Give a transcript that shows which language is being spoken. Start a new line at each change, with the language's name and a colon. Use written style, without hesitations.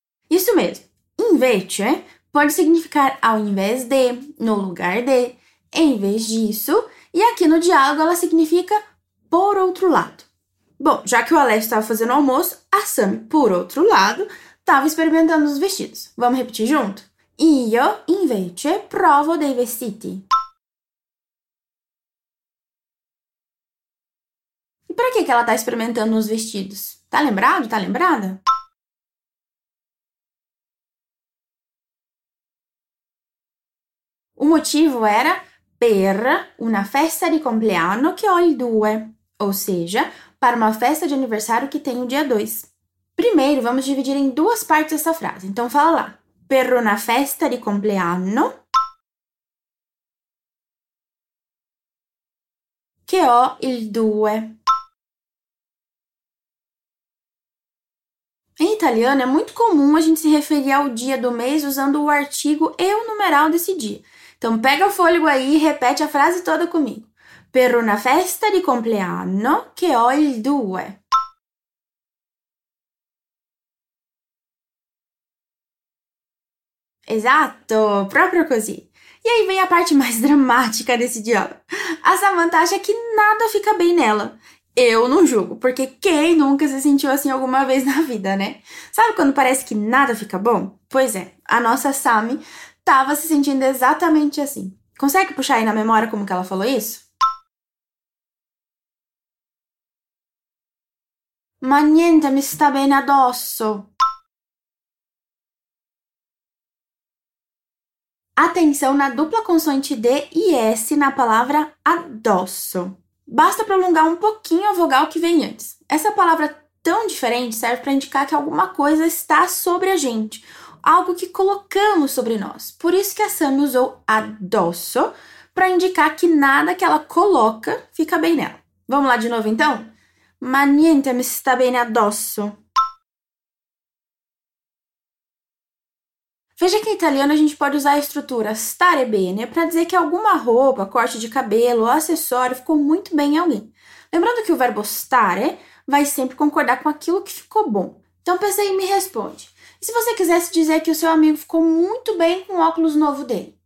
Portuguese: Isso mesmo. Invece pode significar ao invés de, no lugar de, em vez disso. E aqui no diálogo ela significa por outro lado. Bom, já que o Alex estava fazendo o almoço, a Sam, por outro lado, estava experimentando os vestidos. Vamos repetir junto?
Italian: Io invece provo dei vestiti.
Portuguese: E para que ela está experimentando os vestidos? Tá lembrado? Tá lembrada? O motivo era
Italian: per una festa di compleanno che ho il 2,
Portuguese: ou seja, para uma festa de aniversário que tem o dia 2. Primeiro, vamos dividir em duas partes essa frase. Então, fala lá.
Italian: Per una festa di compleanno che ho il 2.
Portuguese: Em italiano, é muito comum a gente se referir ao dia do mês usando o artigo e o numeral desse dia. Então, pega o fôlego aí e repete a frase toda comigo.
Italian: Per una festa di compleanno che ho il 2. Esatto, proprio così.
Portuguese: E aí vem a parte mais dramática desse diálogo. A Samantha acha que nada fica bem nela. Eu não julgo, porque quem nunca se sentiu assim alguma vez na vida, né? Sabe quando parece que nada fica bom? Pois é, a nossa Sammy estava se sentindo exatamente assim. Consegue puxar aí na memória como que ela falou isso?
Italian: Ma niente mi sta bene addosso.
Portuguese: Atenção na dupla consoante D e S na palavra addosso. Basta prolongar um pouquinho a vogal que vem antes. Essa palavra tão diferente serve para indicar que alguma coisa está sobre a gente. Algo que colocamos sobre nós. Por isso que a Sam usou addosso para indicar que nada que ela coloca fica bem nela. Vamos lá de novo então?
Italian: Ma niente mi sta bene addosso.
Portuguese: Veja que em italiano a gente pode usar a estrutura stare bene para dizer que alguma roupa, corte de cabelo ou acessório ficou muito bem em alguém. Lembrando que o verbo stare vai sempre concordar com aquilo que ficou bom. Então pensei e me responde. E se você quisesse dizer que o seu amigo ficou muito bem com o óculos novo dele?